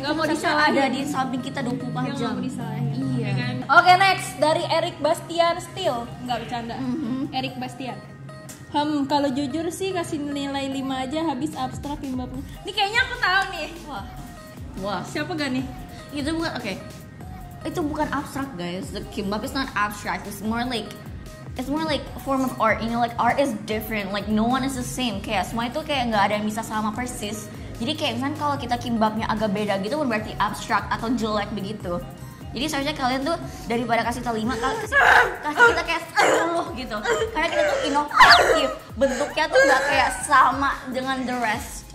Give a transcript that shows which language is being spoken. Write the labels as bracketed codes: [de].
[id] Nggak mau disalahin. Ada di samping kita 24 jam. Nggak mau disalahin. Iya. Oke, next dari Eric Bastian Steel. Nggak bercanda. Eric Bastian. Kalau jujur sih kasih nilai 5 aja, habis abstrak imbapnya. Ini kayaknya aku tahu nih. Wah. Siapa gak nih? Itu bukan, oke. Itu bukan abstrak guys, [en] the kimbap is not abstract, it's more like a form of art, you know, like art is different, like no one is the same. [id] Kayak semua itu kayak gak ada yang bisa sama persis. Jadi kayak misalnya kalau kita kimbapnya agak beda gitu berarti abstrak atau jelek begitu. Jadi seharusnya kalian tuh daripada kasih kita 5, kasih kita kayak 10 gitu. Karena kita tuh inovatif, bentuknya tuh gak kayak sama dengan [en] the rest.